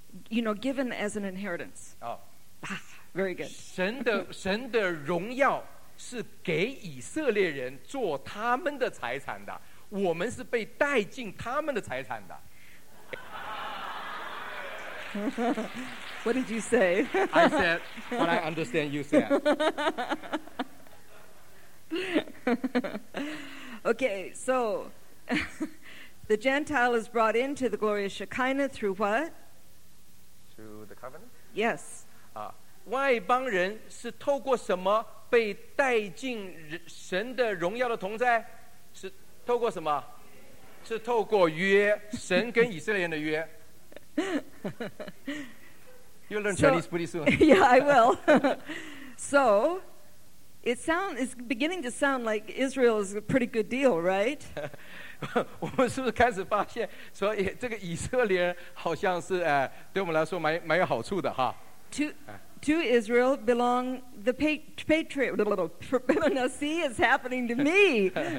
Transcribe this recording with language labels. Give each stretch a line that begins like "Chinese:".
English: You know, given as an inheritance. Very good.
Chinese: 神的荣耀是给以色列人做他们的财产的，我们是被带进他们的财产的。
English: What did you say? I said what I understand you said. Okay, so the Gentile is brought into the glorious Shekinah through what? Through the covenant? Yes.
Chinese: 外邦人是透过什么？被带进神的荣耀的同在，是透过什么？是透过约，神跟以色列人的约。
English: You'll learn Chinese pretty soon. Yeah, I will. So, it's beginning to sound like Israel is a pretty good deal, right?
Chinese: 我们是不是开始发现说，这个以色列人好像是对我们来说蛮有好处的哈？
English: To Israel belong the patriarchs. Now see, it's happening to me.